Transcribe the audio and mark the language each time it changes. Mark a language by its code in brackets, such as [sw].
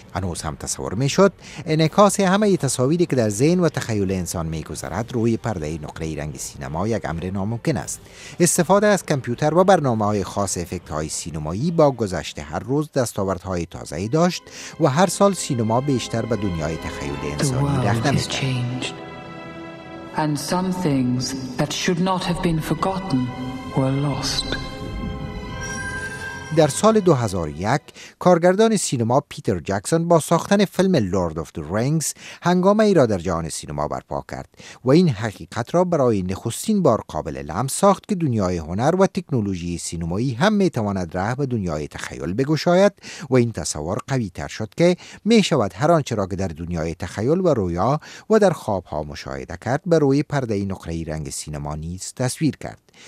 [fa] هنوز هم تصور می‌شد انعکاس همه تصاویری که در ذهن و تخیل انسان می‌گذرد روی پرده نقره رنگ سینما یک امر ناممکن است. استفاده از کامپیوتر و برنامه‌های خاص افکت‌های سینمایی با گذشت هر روز دستاوردهای تازه‌ای داشت و هر سال سینما بیشتر به دنیای تخیل انسانی رخت می‌دهد. [en] And some things that should not have been forgotten were lost. [fa] در سال 2001 کارگردان سینما پیتر جکسون با ساختن فیلم لورد آف دی رینگز هنگامه ای را در جهان سینما برپا کرد و این حقیقت را برای نخستین بار قابل لمس ساخت که دنیای هنر و تکنولوژی سینمایی هم می تواند راه به دنیای تخیل بگشاید و این تصور قوی تر شد که می شود هر آنچه را که در دنیای تخیل و رویا و در خواب ها مشاهده کرد بر روی پرده نقره رنگ سینما نیز تصویر کرد.